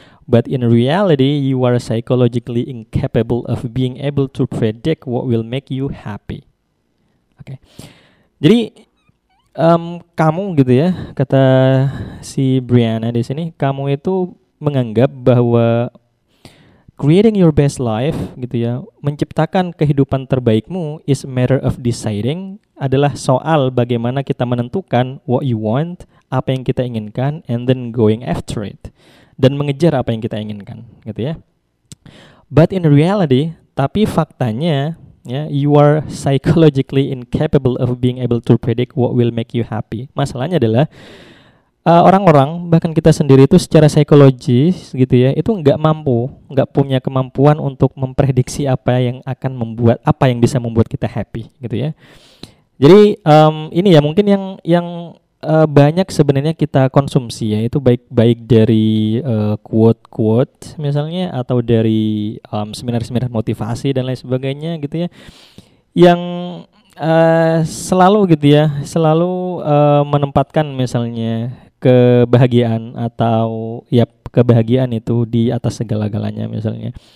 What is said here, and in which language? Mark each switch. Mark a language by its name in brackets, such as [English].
[English] But in reality, you are psychologically incapable of being able to predict what will make you happy. Oke. Okay. [Indonesian] Jadi kamu gitu ya, kata si Brianna di sini, kamu itu menganggap bahwa [English] creating your best life [Indonesian] gitu ya, menciptakan kehidupan terbaikmu [English] is a matter of deciding, [Indonesian] adalah soal bagaimana kita menentukan [English] what you want, [Indonesian] apa yang kita inginkan, [English] and then going after it, [Indonesian] dan mengejar apa yang kita inginkan gitu ya. [English] But in reality, [Indonesian] tapi faktanya ya, [English] you are psychologically incapable of being able to predict what will make you happy. [Indonesian] Masalahnya adalah orang-orang, bahkan kita sendiri itu secara psikologis gitu ya, itu nggak mampu, nggak punya kemampuan untuk memprediksi apa yang akan membuat, apa yang bisa membuat kita happy gitu ya. Jadi ini ya mungkin yang banyak sebenarnya kita konsumsi ya, itu baik dari quote-quote misalnya, atau dari seminar-seminar motivasi dan lain sebagainya gitu ya, yang selalu gitu ya, selalu menempatkan misalnya kebahagiaan atau ya kebahagiaan itu di atas segala-galanya misalnya.